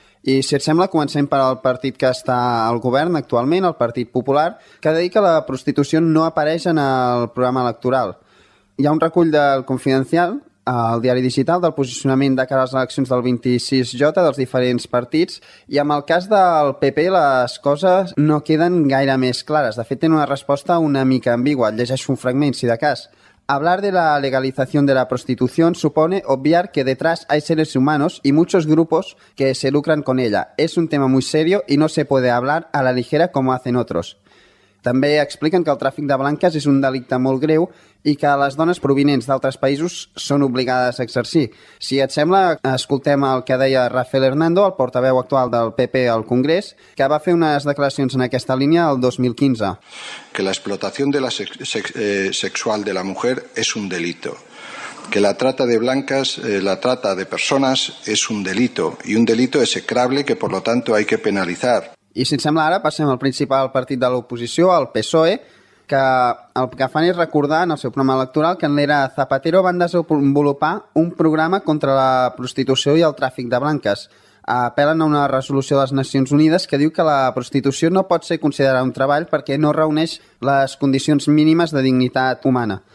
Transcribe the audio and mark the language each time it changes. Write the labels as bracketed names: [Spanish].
[Catalan] I si et sembla, comencem per al partit que està al govern actualment, el Partit Popular, que deia que la prostitució no apareix en el programa electoral. Hi ha un recull del Confidencial, el diari digital, del posicionament de cara a les eleccions del 26J dels diferents partits, i amb el cas del PP les coses no queden gaire més clares. De fet, tenen una resposta una mica ambigua. Llegeixo un fragment, si de cas. [Spanish] Hablar de la legalización de la prostitución supone obviar que detrás hay seres humanos y muchos grupos que se lucran con ella. Es un tema muy serio y no se puede hablar a la ligera como hacen otros. [Catalan] També expliquen que el tràfic de blanques és un delicte molt greu i que les dones provinents d'altres països són obligades a exercir. Si et sembla, escoltem el que deia Rafael Hernando, el portaveu actual del PP al Congrés, que va fer unes declaracions en aquesta línia el 2015. [Spanish] Que la explotación de la sexual de la mujer es un delito. Que la trata de blancas, la trata de personas es un delito. Y un delito execrable que, por lo tanto, hay que penalizar. [Catalan] I si et sembla, ara passem al principal partit de l'oposició, el PSOE, que el que fan és recordar en el seu programa electoral que en l'era Zapatero van desenvolupar un programa contra la prostitució i el tràfic de blanques. Apel·len a una resolució de les Nacions Unides que diu que la prostitució no pot ser considerada un treball perquè no reuneix les condicions mínimes de dignitat humana.